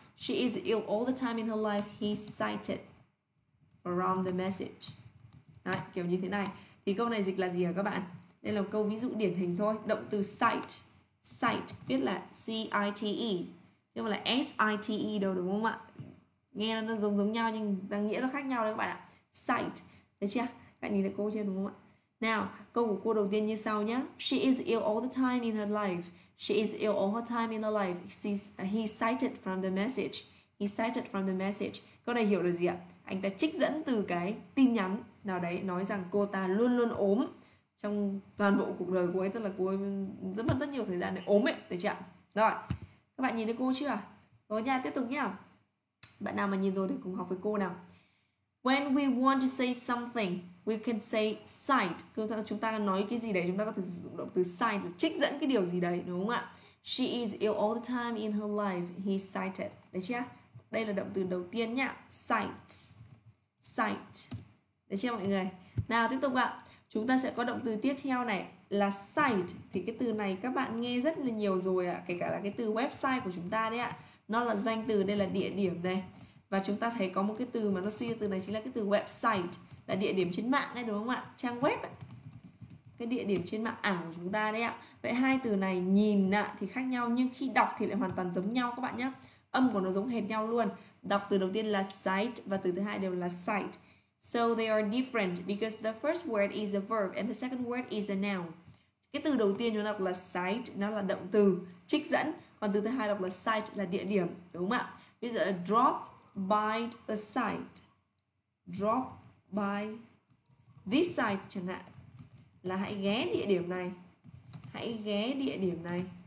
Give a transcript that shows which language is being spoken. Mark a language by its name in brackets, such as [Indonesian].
[English] She is ill all the time in her life, he cited from the message. [Vietnamese] Đấy, kiểu như thế này. Thì câu này dịch là gì hả các bạn? Đây là một câu ví dụ điển hình thôi. Động từ cite. Cite viết là C-I-T-E. Chứ không là S-I-T-E đâu đúng không ạ? Nghe nó giống giống nhau nhưng đáng nghĩa nó khác nhau đấy các bạn ạ. Cite. Được chưa? Các bạn nhìn thấy câu chưa đúng không ạ? Nào, câu của cô đầu tiên như sau nhé. [English] She is ill all the time in her life. She is ill all the time in her life. He cited from the message. He cited from the message. [Vietnamese] Câu này hiểu được gì ạ? Anh ta trích dẫn từ cái tin nhắn nào đấy, nói rằng cô ta luôn luôn ốm trong toàn bộ cuộc đời của ấy, tức là cô ấy rất mất rất nhiều thời gian để ốm ấy, được chưa? Rồi, các bạn nhìn thấy cô chưa? Rồi nha, tiếp tục nhá. Bạn nào mà nhìn rồi thì cùng học với cô nào. [English] When we want to say something, we can say cite. [Vietnamese] Chúng ta nói cái gì đấy, chúng ta có thể sử dụng động từ cite, trích dẫn cái điều gì đấy, đúng không ạ? [English] She is ill all the time in her life, he cited. [Vietnamese] Đấy chưa? Đây là động từ đầu tiên nhá. Cite. Cite. Đấy chưa mọi người? Nào tiếp tục ạ. Chúng ta sẽ có động từ tiếp theo này là cite. Thì cái từ này các bạn nghe rất là nhiều rồi ạ. Kể cả là cái từ website của chúng ta đấy ạ. Nó là danh từ, đây là địa điểm đây. Và chúng ta thấy có một cái từ mà nó suy ra từ này chính là cái từ website, là địa điểm trên mạng đấy đúng không ạ? Trang web. cái địa điểm trên mạng ảo của chúng ta đấy ạ. Vậy hai từ này nhìn thì khác nhau nhưng khi đọc thì lại hoàn toàn giống nhau các bạn nhé. Âm của nó giống hệt nhau luôn. Đọc từ đầu tiên là sight và từ thứ hai đều là sight. [English] So they are different because the first word is a verb and the second word is a noun. [Vietnamese] Cái từ đầu tiên chúng ta đọc là sight, nó là động từ, trích dẫn. Còn từ thứ hai đọc là sight là địa điểm, đúng không ạ? Bây giờ [English] a drop by a sight. Drop by this sight [Vietnamese] chẳng hạn. Là hãy ghé địa điểm này. Hãy ghé địa điểm này.